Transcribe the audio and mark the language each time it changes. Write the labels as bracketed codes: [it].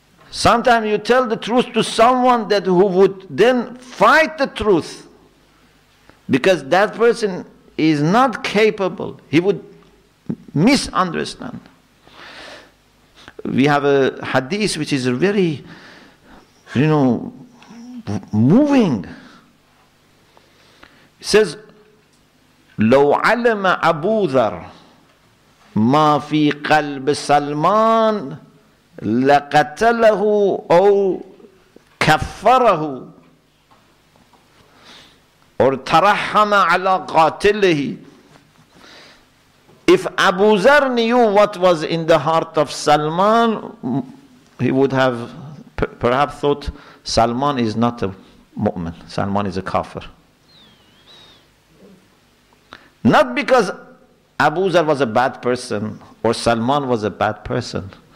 [en] Sometimes you tell the truth to someone that who would then fight the truth, because that person is not capable. He would misunderstand. We have a hadith which is very, you know, moving. [ar] It says, لو علم أبو ذر ما في قلب سلمان لقتله أو كفره أو ترحم على قاتله. [en] If Abu Dhar knew what was in the heart of Salman, he would have perhaps thought, Salman is not a mu'min, Salman is a kafir. Not because Abu Dhar was a bad person or Salman was a bad person.